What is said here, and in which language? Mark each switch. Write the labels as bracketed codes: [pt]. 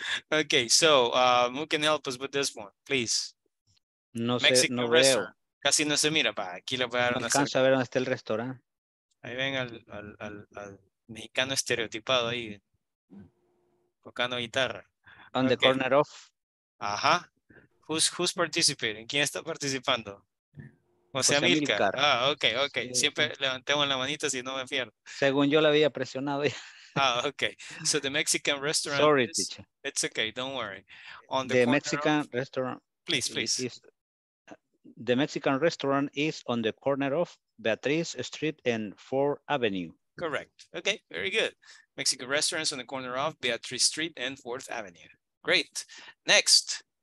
[en] Okay, so who can help us with this one, please? [es] No sé, [en] Mexican no restaurant. [es] Veo. Casi no se mira, pa. Aquí le voy a dar una. Alcanza a ver dónde está el restaurante. Ahí ven al mexicano estereotipado ahí, tocando guitarra. [en] On the corner of. Ajá. Who's participating? [es] ¿Quién está participando? José Amilcar. Ah, okay. Sí, siempre sí. Levantemos la manita si no me pierdo. Según yo la había presionado ya. [en] Ah, okay. So the Mexican restaurant. Sorry, is, teacher. It's okay. Don't worry. On the Mexican of, restaurant. Please. The Mexican restaurant is on the corner of Beatrice Street and 4th Avenue. Correct. Okay. Very good. Mexican restaurant is on the corner of Beatrice Street and 4th Avenue. Great. Next.